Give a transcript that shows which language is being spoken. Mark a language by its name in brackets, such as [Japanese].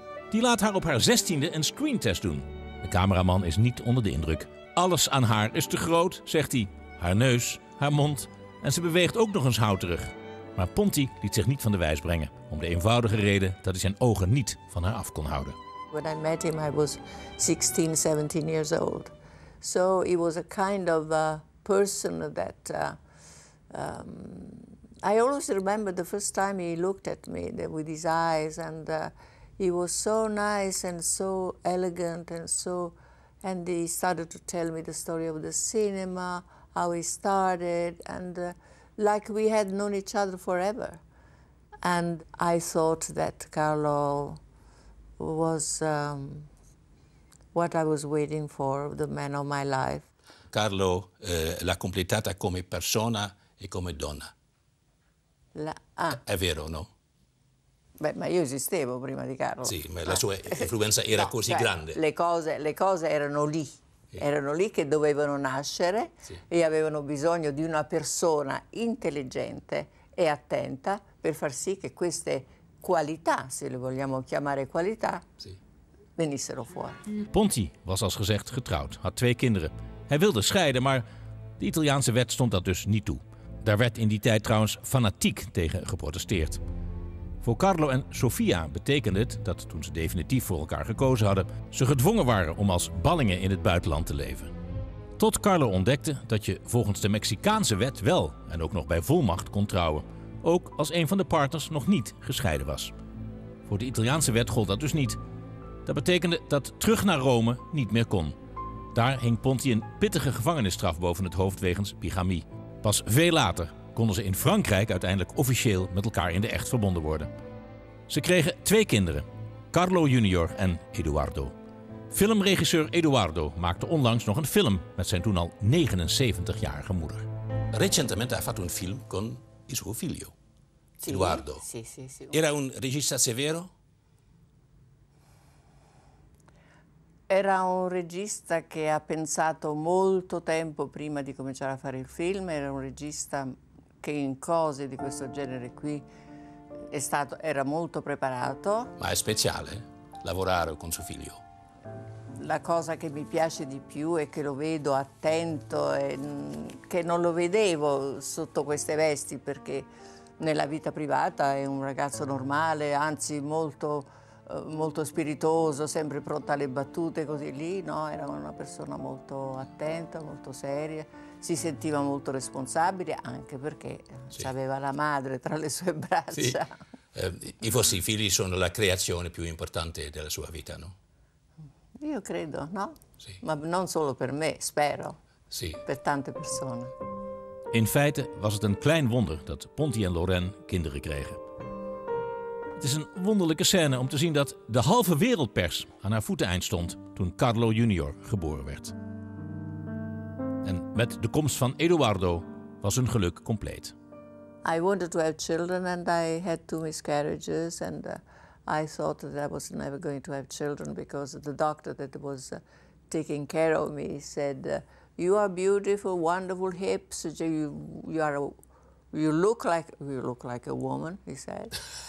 [Dutch] Die laat haar op haar 16e een screentest doen. De cameraman is niet onder de indruk. Alles aan haar is te groot, zegt hij. Haar neus, haar mond en ze beweegt ook nog eens houterig. Maar Ponti liet zich niet van de wijs brengen, om de eenvoudige reden dat hij zijn ogen niet van haar af kon houden. [English] When I met him, I was 16, 17 years old. So he was a kind of a person that I always remember the first time he looked at me with his eyes, and he was so nice and so elegant and so. And he started to tell me the story of the cinema, how he started, and like we had known each other forever. And I thought that Carlo was what I was waiting for, the man of my life. [Italian] Carlo l'ha completata come persona e come donna. È vero, no? Beh, ma io esistevo prima di Carlo. Sì, ma la sua influenza era no, così, cioè, grande. Le cose erano lì. Sì. Erano lì che dovevano nascere, sì. E avevano bisogno di una persona intelligente e attenta per far sì che queste qualità, se le vogliamo chiamare qualità, sì, venissero fuori. [Dutch] Ponti was als gezegd getrouwd, had twee kinderen. Hij wilde scheiden, maar de Italiaanse wet stond dat dus niet toe. Daar werd in die tijd trouwens fanatiek tegen geprotesteerd. Voor Carlo en Sophia betekende het dat toen ze definitief voor elkaar gekozen hadden, ze gedwongen waren om als ballingen in het buitenland te leven. Tot Carlo ontdekte dat je volgens de Mexicaanse wet wel en ook nog bij volmacht kon trouwen, ook als een van de partners nog niet gescheiden was. Voor de Italiaanse wet gold dat dus niet. Dat betekende dat terug naar Rome niet meer kon. Daar hing Ponti een pittige gevangenisstraf boven het hoofd wegens bigamie. Pas veel later konden ze in Frankrijk uiteindelijk officieel met elkaar in de echt verbonden worden. Ze kregen twee kinderen, Carlo Junior en Eduardo. Filmregisseur Eduardo maakte onlangs nog een film met zijn toen al 79-jarige moeder. [Italian] Recentemente ha fatto un film con il suo figlio, Eduardo. Era un regista severo? Era un regista che ha pensato molto tempo prima di cominciare a fare il film, era un regista che in cose di questo genere qui era molto preparato. Ma è speciale lavorare con suo figlio? La cosa che mi piace di più è che lo vedo attento e che non lo vedevo sotto queste vesti, perché nella vita privata è un ragazzo normale, anzi molto, molto spiritoso, sempre pronto alle battute, così lì, no? Era una persona molto attenta, molto seria. Si sentiva molto responsabile, anche perché sì, aveva la madre tra le sue braccia. Sì. I vostri figli sono la creazione più importante della sua vita, no? Io credo, no? Sì. Ma non solo per me, spero. Sì. Per tante persone. [Dutch] In feite was het een klein wonder dat Ponti en Loren kinderen kregen. Het is een wonderlijke scène om te zien dat de halve wereldpers aan haar voeteneind stond toen Carlo Junior geboren werd. En met de komst van Eduardo was hun geluk compleet. [English] I wanted to have children and I had two miscarriages and I thought that I was never going to have children because the doctor that was taking care of me said you are beautiful, wonderful hips, you look like a woman, he said.